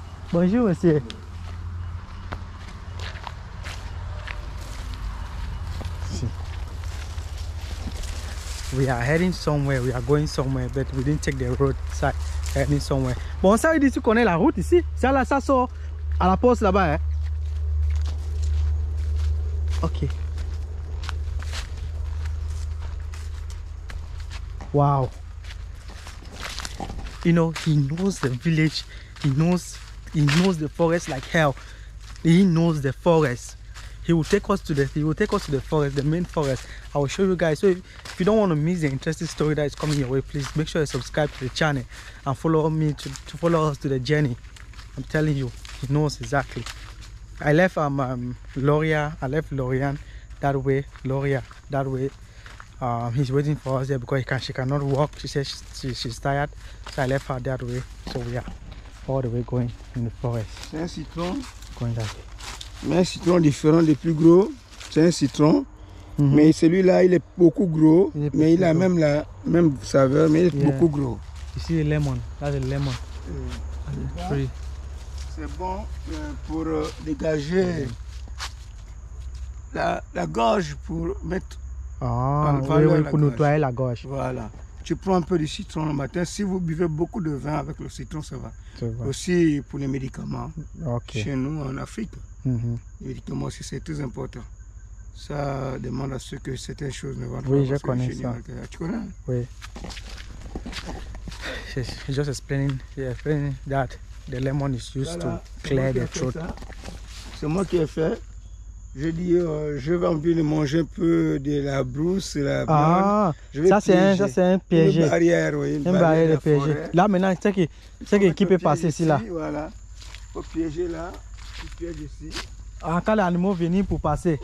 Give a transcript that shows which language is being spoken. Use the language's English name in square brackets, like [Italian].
[French] Bonjour, monsieur. [English] See. We are heading somewhere. We are going somewhere, but we didn't take the road side. [French] Elle est [English] somewhere. [French] Bon, ça veut dire que tu connais la route ici. Ça, là, ça sort à la poste là-bas. Hein? Ok. Wow. [English] You know, he knows the village. He knows the forest like hell. He knows the forest. he will take us to the forest, the main forest. I will show you guys. So if you don't want to miss the interesting story that is coming your way, please make sure you subscribe to the channel and follow me to follow us to the journey. I'm telling you, he knows exactly. I left Lorian that way. He's waiting for us there because she cannot walk. She says she's tired. So I left her that way. So we are all the way going in the forest. [French] C'est un citron. [English] Going that way. [French] Mais un citron différent, le plus gros, c'est un citron. Mm-hmm. Mais celui-là, il est beaucoup gros. Mais il a même la même saveur, mais il est beaucoup gros. Ici, le [English] lemon. That's a lemon. Tree. [French] C'est bon pour dégager la gorge pour mettre. Pour nettoyer la gorge. Voilà. Tu prends un peu de citron le matin. Si vous buvez beaucoup de vin avec le citron, ça va. Aussi pour les médicaments. Okay. Chez nous, en Afrique, les médicaments aussi, c'est très important. Ça demande à ce que certaines choses ne vont pas. Oui, je connais ça. Tu connais? Oui. [English] She's just explaining, that the lemon is used to clear the throat. [French] C'est moi qui ai fait. J'ai dit, j'avais envie de manger un peu de la brousse, la blonde. Ah, ça c'est un piégé. Une barrière, oui. Une barrière de piégé. Là, maintenant, c'est qui peut passer ici, là. Voilà. Au piégé, là. Tu pièges ici. Ah, quand l'animal vient pour passer.